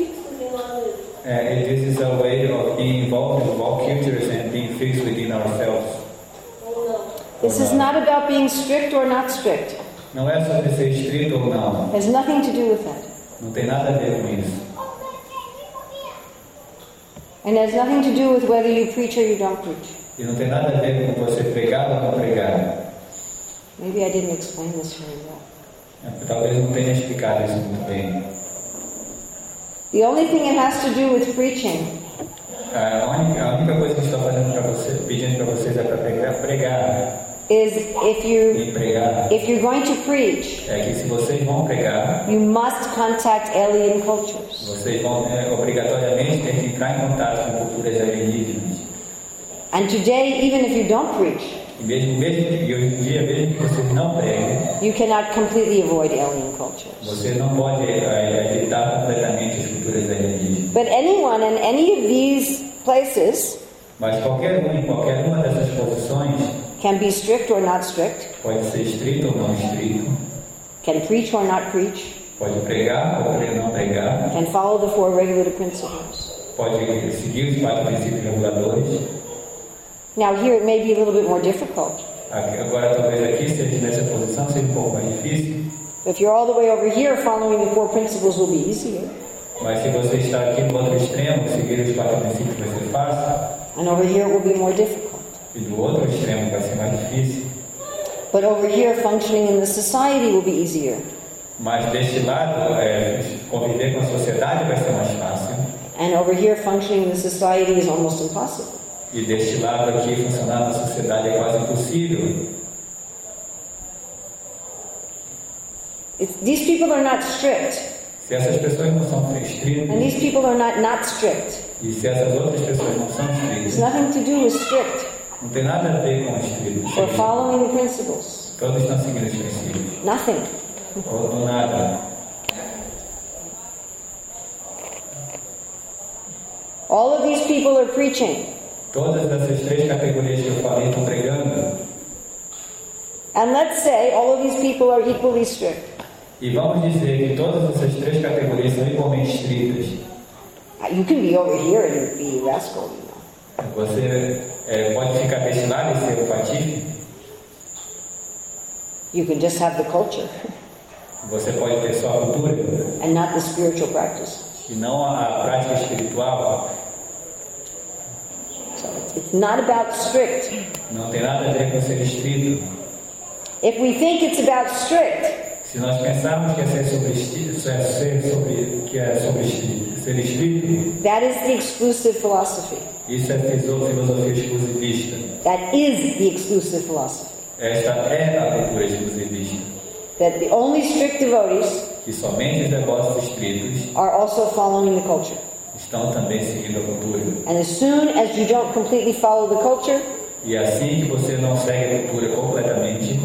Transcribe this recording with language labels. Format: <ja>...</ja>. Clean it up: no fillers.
<en>This is a way of being involved with all cultures and being fixed within ourselves. This is not about being strict or not strict.</en> <pt>Não é sobre ser estrito ou não.</pt> <en>It has nothing to do with that.</en> <pt>Não tem nada a ver com isso.</pt> <en>And it has nothing to do with whether you preach or you don't preach.</en> <pt>E não tem nada a ver com você pregar ou não pregar.</pt> <en>Maybe I didn't explain this very well.</en> <pt>Talvez não tenha explicado isso muito bem.</pt> <en>The only thing it has to do with preaching.</en> <pt>A única coisa que estou fazendo para você, pedindo para vocês é para pregar.</pt> <en>Is if you</en> <pt>pregar,</pt> <en>if you're going to preach.</en> <pt>É que se vocês vão pregar.</pt> <en>You must contact alien cultures.</en> <pt>Vocês vão obrigatoriamente ter que entrar em contato com culturas alienígenas.</pt> <en>And today, even if you don't preach. You cannot completely avoid alien cultures.</en> <pt>Você não pode evitar completamente as culturas alienígenas.</pt> <en>But anyone in any of these places,</en> <pt>mas qualquer uma dessas posições,</pt> <en>can be strict or not strict.</en> <pt>Pode ser estrito ou não estrito.</pt> <en>Can preach or not preach.</en> <pt>Pode pregar ou não pregar.</pt> <en>Can follow the four regulative principles.</en> <pt>Pode seguir os quatro princípios reguladores.</pt> <en>Now here it may be a little bit more difficult.</en> <pt>Agora talvez aqui seja nessa posição seja um pouco mais difícil.</pt> <en>If you're all the way over here, following the four principles will be easier.</en> <pt>Mas se você está aqui no outro extremo, seguir os quatro princípios vai ser fácil.</pt> <en>And over here it will be more difficult.</en> <pt>E do outro extremo vai ser mais difícil.</pt> <en>But over here, functioning in the society will be easier.</en> <pt>Mas deste lado, conviver com a sociedade vai ser mais fácil.</pt> <en>And over here, functioning in the society is almost impossible.</en> <pt>E deste lado aqui funcionar na sociedade é quase impossível.</pt> <en>These people are not strict.</en> <pt>Se essas pessoas não são estritas.</pt> <en>And these people are not strict.</en> <pt>E se essas outras pessoas não são estritas.</pt> <en>It's nothing to do with strict.</en> <pt>Não tem nada a ver com estrito.</pt> <en>Or following the principles.</en> <pt>Todos estão seguindo os princípios.</pt> <en>Nothing.</en> <pt>Ou nada.</pt> <en>All of these people are preaching.</en> <pt>Todas essas três categorias que eu falei estão pregando.</pt> <en>And let's say all of these people are equally strict.</en> <pt>E vamos dizer que todas essas três categorias são igualmente estritas.</pt> <en>You can be over here and be a rascal, you know.</en> <pt>Você pode ficar deste lado e ser patife.</pt> <en>You can just have the culture.</en> <pt>Você pode ter só a cultura.</pt> <en>And not the spiritual practice.</en> <pt>E não a prática espiritual.</pt> <en>It's not about strict.</en> <pt>Não tem nada a ver com ser estrito.</pt> <en>If we think it's about strict,</en> <pt>se nós pensarmos que é ser sobre ser estrito,</pt> <en>that is the exclusive philosophy.</en> <pt>Isso é a filosofia exclusivista.</pt> <en>That is the exclusive philosophy.</en> <pt>Esta é a cultura exclusivista.</pt> <en>That the only strict devotees,</en> <pt>que somente os devotos estritos,</pt> <en>are also following the culture.</en> <pt>Estão também seguindo a cultura.</pt> <en>And as soon as you don't completely follow the culture,</en> <pt>e assim que você não segue a cultura completamente,</pt>